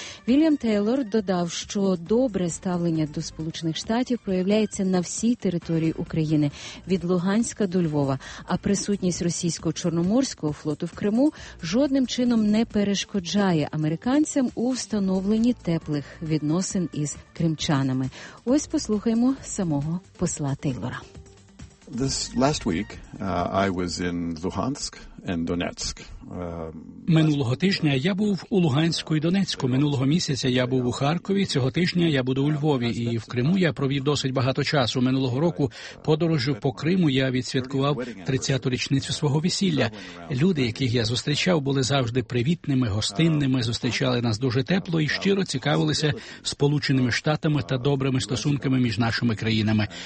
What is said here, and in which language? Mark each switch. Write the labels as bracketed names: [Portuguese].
[Ukrainian] Вільям Тейлор додав, що добре ставлення до Сполучених Штатів проявляється на всій території України, від Луганська до Львова, а присутність російського Чорноморського флоту в Криму жодним чином не перешкоджає американцям у встановленні теплих відносин із кримчанами. Ось послухаємо самого посла Тейлора. [English] This last week I was in Luhansk and Donetsk. [Ukrainian] Минулого тижня я був у Луганську і Донецьку. Минулого місяця я був у Харкові. Цього тижня я буду у Львові. І в Криму я провів досить багато часу. Минулого року подорожу по Криму я відсвяткував 30-ту річницю свого весілля. Люди, яких я зустрічав, були завжди привітними, гостинними, зустрічали нас дуже тепло і щиро цікавилися Сполученими Штатами та добрими стосунками між нашими країнами.